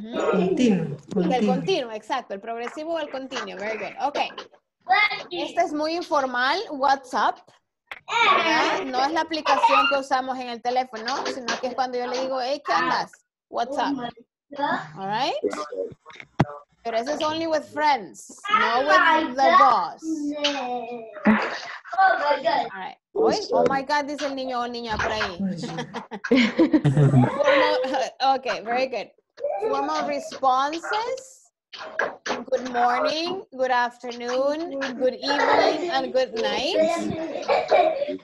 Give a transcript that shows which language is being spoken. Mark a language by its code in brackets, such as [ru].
[es] Continuo. El continuo, exacto. El progresivo o el continuo. [en] Very good. Okay. [es] Esta es muy informal. [en] What's up? [es] No es la aplicación que usamos en el teléfono, sino que es cuando yo le digo, hey, ¿qué andas? [en] What's up? All right? [es] Pero eso es [en] only with friends, no with the boss. Oh my God. All right. Oh my God, [es] dice el niño o niña por ahí. [en] Okay, very good. Formal responses. Good morning, good afternoon, good evening, and good night.